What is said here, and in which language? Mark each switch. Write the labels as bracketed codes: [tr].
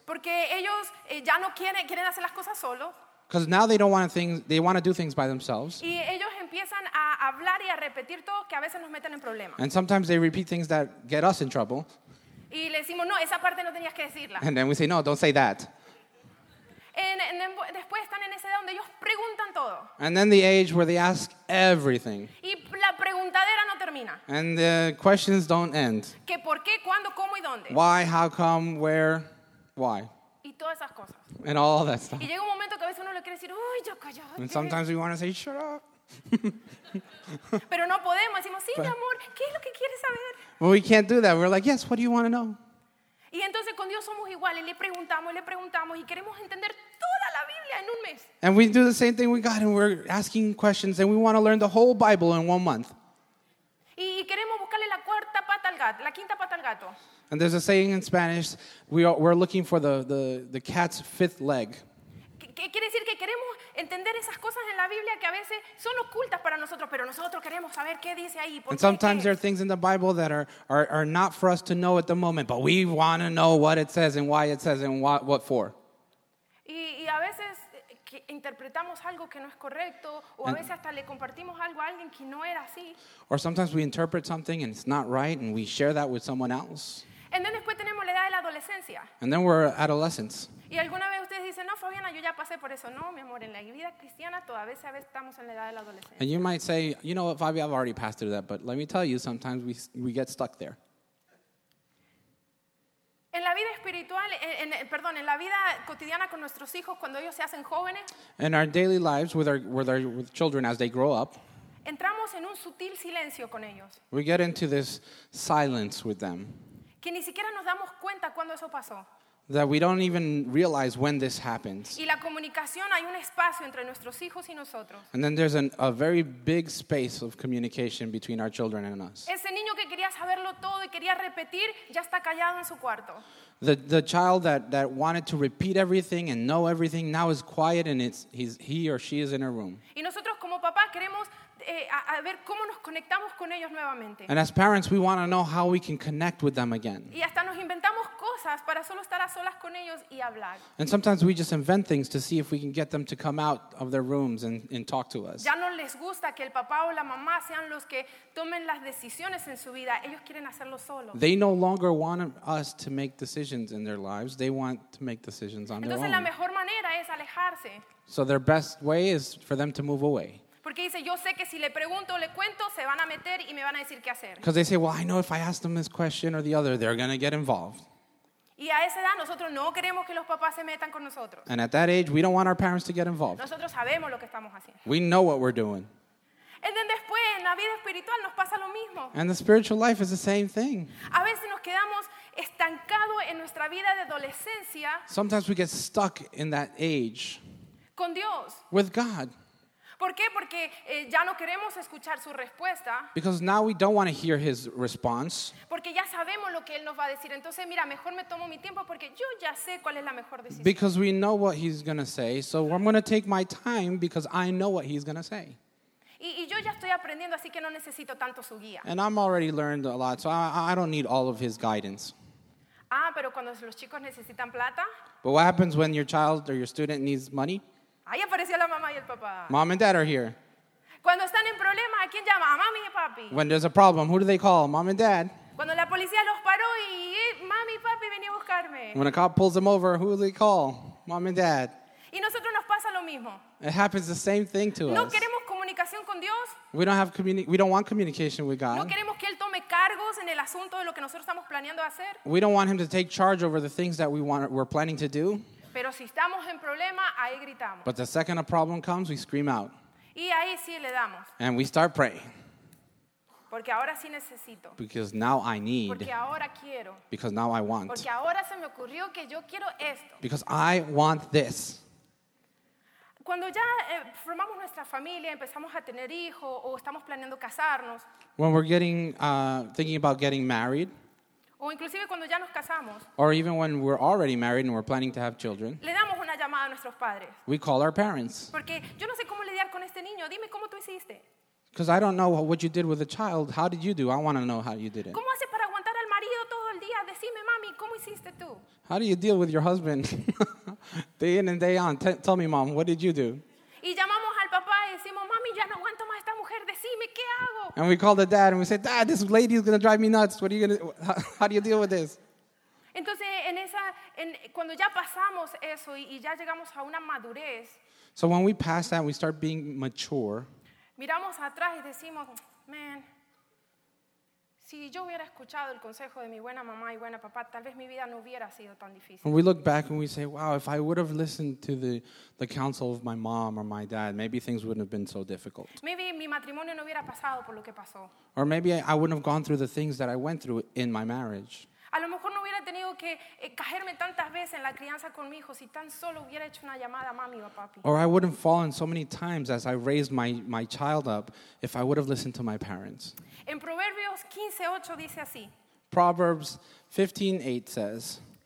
[es] Porque ellos ya no quieren hacer las cosas solos. [en] Because now they don't want things, they want to do things by themselves. [es] Y ellos empiezan a hablar y a repetir todo que a veces nos meten en problemas. [en] And sometimes they repeat things that get us in trouble. [es] Y le decimos, no, esa parte no tenías que decirla. [en] And then we say, no, don't say that. [es] Después están en esa edad donde ellos preguntan todo. [en] And then the age where they ask everything. [es] Y la preguntadera no termina. [en] And the questions don't end. [es] ¿Qué, por qué, cuándo, cómo y dónde? [en] Why, how, come, where, why? [es] Y todas esas cosas. [en] And all that stuff. [es] Y llega un momento que a veces uno le quiere decir, uy, yo callado. [en] And sometimes we want to say, shut up. [es] Pero no podemos. Decimos, sí, mi amor, ¿qué es lo que quieres saber? [en] Well, we can't do that. We're like, yes, what do you want to know? [es] Y entonces con Dios somos iguales. Le preguntamos y queremos entender toda la Biblia en un mes. [en] And we do the same thing with God, and we're asking questions, and we want to learn the whole Bible in 1 month. [es] Y queremos buscarle la cuarta pata al gato, la quinta pata al gato. [en] And there's a saying in Spanish, we're looking for the cat's fifth leg. [es] ¿Qué quiere decir? Que queremos entender esas cosas en la Biblia que a veces son ocultas para nosotros, pero nosotros queremos saber qué dice ahí. [en] And sometimes there are things in the Bible that are not for us to know at the moment, but we want to know what it says and why it says and what for. [es] Y a veces interpretamos algo que no es correcto, o a veces hasta le compartimos algo a alguien que no era así. [en] Or sometimes we interpret something and it's not right and we share that with someone else. And then [es] después tenemos la edad de la adolescencia. [en] And then we're adolescents. [es] Y alguna vez ustedes dicen, no, Fabiana, yo ya pasé por eso. No, mi amor, en la vida cristiana todavía estamos en la edad de la adolescencia. [en] And you might say, you know what, Fabi, I've already passed through that, but let me tell you, sometimes we get stuck there. [es] En la vida espiritual, en la vida cotidiana con nuestros hijos, cuando ellos se hacen jóvenes. [en] In our daily lives with children as they grow up. [es] Entramos en un sutil silencio con ellos. [en] We get into this silence with them. [es] Que ni siquiera nos damos cuenta cuando eso pasó. [en] That we don't even realize when this happens. [es] Y la comunicación, hay un espacio entre nuestros hijos y nosotros. [en] And then there's a very big space of communication between our children and us. [es] Ese niño que quería saberlo todo y quería repetir, ya está callado en su cuarto. [en] The child that wanted to repeat everything and know everything now is quiet and he or she is in her room. [es] Y nosotros como papá queremos a ver cómo nos conectamos con ellos nuevamente. [en] And as parents we want to know how we can connect with them again. [es] Y hasta nos inventamos cosas para solo estar a solas con ellos y hablar. [en] And sometimes we just invent things to see if we can get them to come out of their rooms and talk to us. [es] Ya no les gusta que el papá o la mamá sean los que tomen las decisiones en su vida. Ellos quieren hacerlo solo. [en] They no longer want us to make decisions in their lives. They want to make decisions on their own. [es] Entonces la mejor manera es alejarse. [en] So their best way is for them to move away. [es] Porque dice, yo sé que si le pregunto o le cuento, se van a meter y me van a decir qué hacer. [en] Because they say, well, I know if I ask them this question or the other, they're going to get involved. [es] Y a esa edad, nosotros no queremos que los papás se metan con nosotros. [en] And at that age, we don't want our parents to get involved. [es] Nosotros sabemos lo que estamos haciendo. [en] We know what we're doing. And then [es] después, en la vida espiritual, nos pasa lo mismo. [en] And the spiritual life is the same thing. [es] A veces nos quedamos estancados en nuestra vida de adolescencia. [en] Sometimes we get stuck in that age. [es] Con Dios. [en] With God. [es] ¿Por qué? Porque ya no queremos escuchar su respuesta. [en] Because now we don't want to hear his response. [es] Porque ya sabemos lo que él nos va a decir. Entonces, mira, mejor me tomo mi tiempo porque yo ya sé cuál es la mejor decisión. [en] Because we know what he's going to say, so I'm going to take my time because I know what he's going to say. [es] Y yo ya estoy aprendiendo, así que no necesito tanto su guía. [en] And I'm already learned a lot, so I don't need all of his guidance. [es] Ah, pero cuando los chicos necesitan plata. [en] But what happens when your child or your student needs money? [es] Ahí apareció la mamá y el papá. [en] Mom and dad are here. [es] Cuando están en problemas, ¿a quién llama? A mami y papi. [en] When there's a problem, who do they call? Mom and dad. [es] Cuando la policía los paró y mami y papi venía a buscarme. [en] When a cop pulls them over, who do they call? Mom and dad. [es] Y nosotros nos pasa lo mismo. [en] It happens the same thing to no us. [es] No queremos comunicación con Dios. [en] We don't want communication with God. [es] No queremos que él tome cargos en el asunto de lo que nosotros estamos planeando hacer. [en] We don't want him to take charge over the things that we're planning to do. [es] Pero si estamos en problema, ahí gritamos. [en] But the second a problem comes, we scream out. [es] Y ahí sí le damos. [en] And we start praying. [es] Porque ahora sí necesito. [en] Because now I need. [es] Porque ahora quiero. [en] Because now I want. [es] Porque ahora se me ocurrió que yo quiero esto. [en] Because I want this. [es] Cuando ya formamos nuestra familia, empezamos a tener hijos o estamos planeando casarnos. [en] When we're getting thinking about getting married. [es] O inclusive cuando ya nos casamos. [en] Or even when we're already married and we're planning to have children. [es] Le damos una llamada a nuestros padres. [en] We call our parents. [es] Porque yo no sé cómo lidiar con este niño. Dime cómo tú hiciste. [en] Because I don't know what you did with the child. How did you do? I want to know how you did it. [es] ¿Cómo haces para aguantar al marido todo el día? Decime, mami, ¿cómo hiciste tú? [en] How do you deal with your husband day in and day on? Tell me, mom, what did you do? [es] Y llamamos al papá y decimos, mami, ya no aguanto más esta mujer. Decime, ¿qué hago? [en] And we call the dad and we say, Dad, this lady is going to drive me nuts. What are you going to? How do you deal with this? [es] Entonces, en esa, en, cuando ya pasamos eso y ya llegamos a una madurez. [en] So when we pass that, we start being mature. [es] Miramos atrás y decimos, man, si yo hubiera escuchado el consejo de mi buena mamá y buena papá, tal vez mi vida no hubiera sido tan difícil. [en] When we look back and we say, wow, if I would have listened to the counsel of my mom or my dad, maybe things wouldn't have been so difficult. Maybe [es] mi matrimonio no hubiera pasado por lo que pasó. [en] Or maybe I wouldn't have gone through the things that I went through in my marriage. [es] A lo mejor no hubiera tenido que caerme tantas veces en la crianza con mi hijo si tan solo hubiera hecho una llamada a mami o a papi. [en] Or I wouldn't have fallen so many times as I raised my child up if I would have listened to my parents. [es] En Proverbios 15:8 dice así. [en] Proverbs 15:8 says.